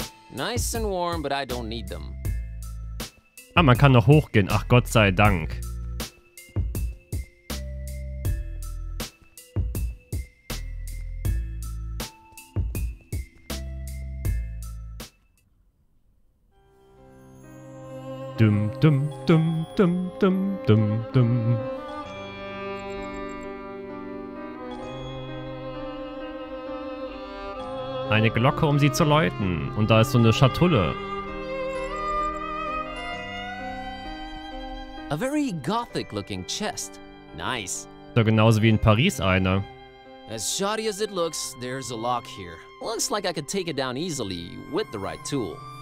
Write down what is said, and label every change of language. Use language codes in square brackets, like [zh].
[en] Nice and warm, but I don't need them. [de] Ah, man kann noch hochgehen. Ach, Gott sei Dank. Dum dum dum dum dum dum dum. Eine Glocke, um sie zu läuten. Und da ist so eine Schatulle. [en] A very gothic looking chest. Nice. [de] So genauso wie in Paris eine. [en] As shoddy as it looks, there's a lock here. Looks like I could take it down easily with the right tool.